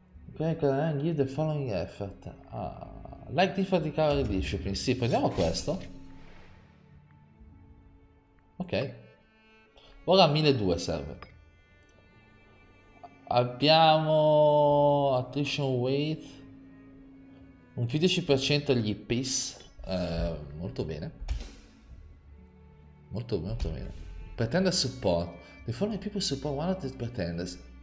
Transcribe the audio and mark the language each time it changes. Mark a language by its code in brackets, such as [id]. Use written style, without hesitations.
[en] Okay, give the following effort. Light Infantry Cavalry Discipline, [it] sì, prendiamo questo. Ok, ora 1200 serve. Abbiamo Attrition Weight, un più 10% agli IPs, molto bene. Molto, molto bene. Pretender support. [en] The following people support one of the pretenders.